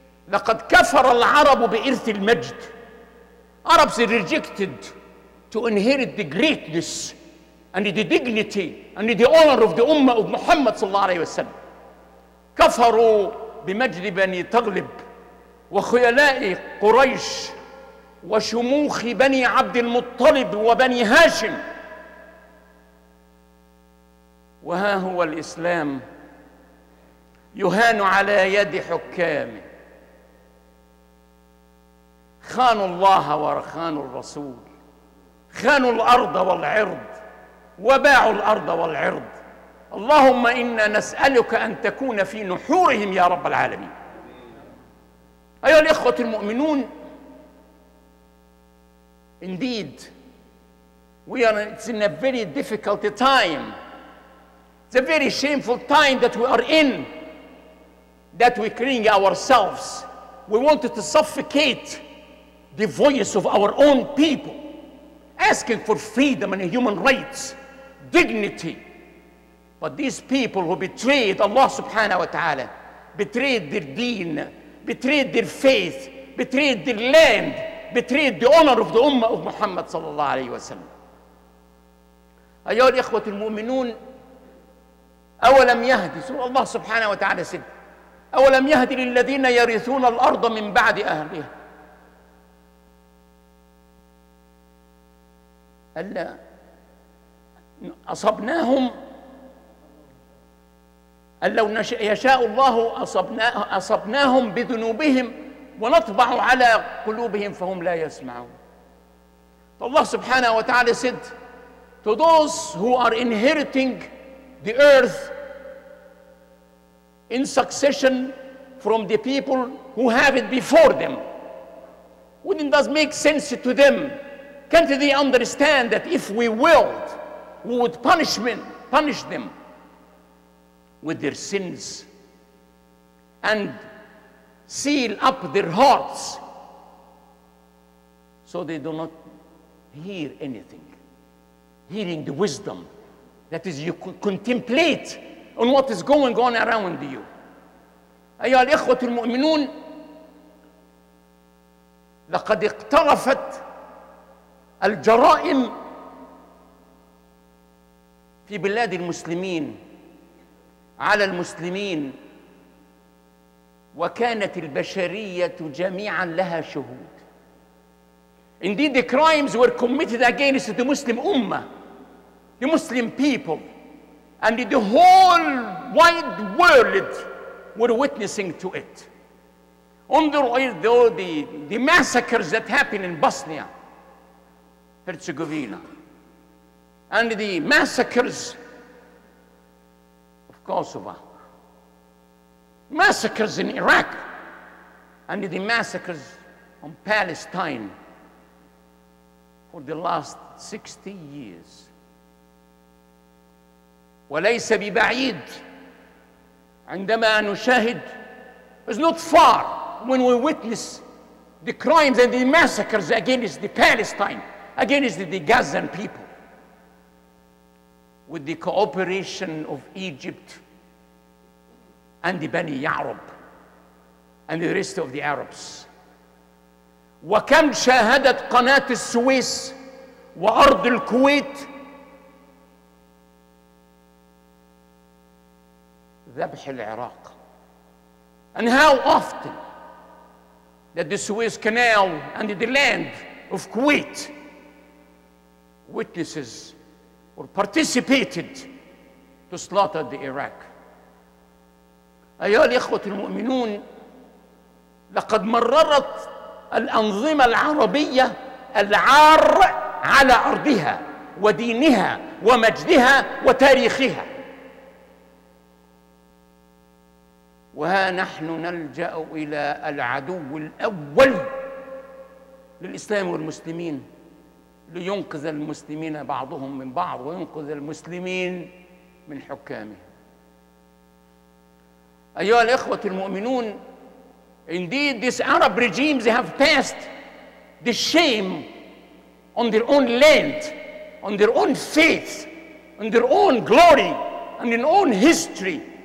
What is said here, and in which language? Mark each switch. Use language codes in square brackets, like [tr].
[ar] لقد كفر العرب بإرث المجد. [en] Arabs rejected to inherit the greatness and the dignity and the honor of the Ummah of Muhammad [ar] صلى الله عليه وسلم. كفروا بمجد بني تغلب وخيلاء قريش وشموخ بني عبد المطلب وبني هاشم. وها هو الإسلام يهان على يد حكامه. خانوا الله ورخانوا الرسول، خانوا الأرض والعرض وباعوا الأرض والعرض. اللهم إنا نسألك أن تكون في نحورهم يا رب العالمين. أيها الإخوة المؤمنون، [en] indeed we are, it's in a very difficult time. It's a very shameful time that we are in, that we're killing ourselves. We wanted to suffocate the voice of our own people, asking for freedom and human rights, dignity. But these people who betrayed Allah subhanahu wa ta'ala, betrayed their deen, betrayed their faith, betrayed their land, betrayed the honor of the Ummah of Muhammad sallallahu alayhi wa sallam. [ar] أيها الإخوة المؤمنون، أولم يهدي، الله سبحانه وتعالى [en] said، [ar] أولم يهدي للذين يرثون الأرض من بعد أهلها. ألا أصبناهم، ألا لو يشاء الله أصبناهم بذنوبهم ونطبع على قلوبهم فهم لا يسمعون. الله سبحانه وتعالى [en] said to those who are inheriting the earth in succession from the people who have it before them. Wouldn't that make sense to them? Can't they understand that if we willed, we would punish them with their sins and seal up their hearts so they do not hear anything? Hearing the wisdom, that is, you contemplate on what is going on around you. [ar] أيها الإخوة المؤمنون، لقد اقترفت الجرائم في بلاد المسلمين على المسلمين، وكانت البشرية جميعا لها شهود. [en] Indeed the crimes were committed against the Muslim Ummah, the Muslim people, and the whole wide world were witnessing to it. Under all the massacres that happened in Bosnia Herzegovina and the massacres of Kosovo, massacres in Iraq and the massacres on Palestine for the last 60 years. [ar] وليس ببعيد عندما نشاهد، [en] is not far when we witness the crimes and the massacres against the Palestine, against the Gazan people, with the cooperation of Egypt and the Bani Ya'rub and the rest of the Arabs. [ar] وكم شاهدت قناة السويس وأرض الكويت ذبح العراق. [en] And how often that the Suez Canal and the land of Kuwait witnesses or participated to slaughter the Iraq. [ar] أيها الإخوة المؤمنون، لقد مررت الأنظمة العربية العار على أرضها ودينها ومجدها وتاريخها. وها نحن نلجأ إلى العدو الأول للإسلام والمسلمين لينقذ المسلمين بعضهم من بعض وينقذ المسلمين من حكامهم. أيها الإخوة المؤمنون، [en] indeed this Arab regime they have passed the shame on their own land, on their own faith, on their own glory, and in own history.